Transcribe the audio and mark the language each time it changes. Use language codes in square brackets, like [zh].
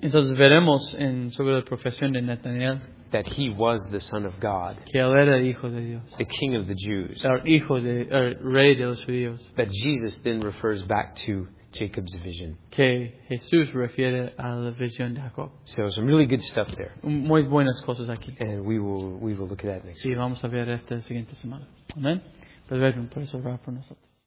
[es] Entonces veremos en sobre la profesión de Nathanael [en] that he was the Son of God. [es] Que él era hijo de Dios. [en] The King of the Jews. [es] El hijo de el rey de los judíos. [en] That Jesus then refers back to Jacob's vision. [es] Que Jesús refiere a la visión de Jacob. [en] So some really good stuff there. [es] Muy buenas cosas aquí. [en] And we will look at that next. [es] Sí, vamos a ver esta siguiente semana. Amén. Pero por eso orar por nosotros.